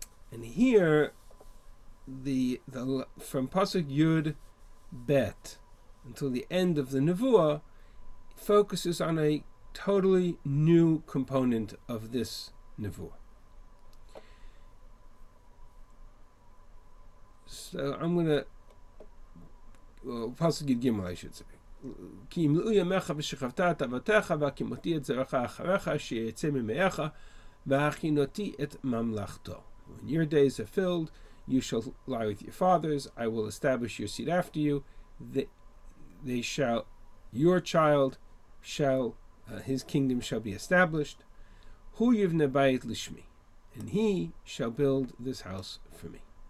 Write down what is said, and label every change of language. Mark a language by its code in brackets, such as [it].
[en] And here, the from Pasuk Yud Bet until the end of the Nevuah focuses on a totally new component of this Nevuah. So I'm going to, well, Pasuk Yud Gimel, I should say. [he] כי ימלאו ימיך ושכבת את אבותיך והקימותי את זרעך אחריך שיצא ממאיך והכינותי את ממלכתו. [en] When your days are filled, you shall lie with your fathers. I will establish your seed after you. They shall, your child shall, his kingdom shall be established. [he] Hu yivne bayit lishmi. [en] And he shall build this house for me.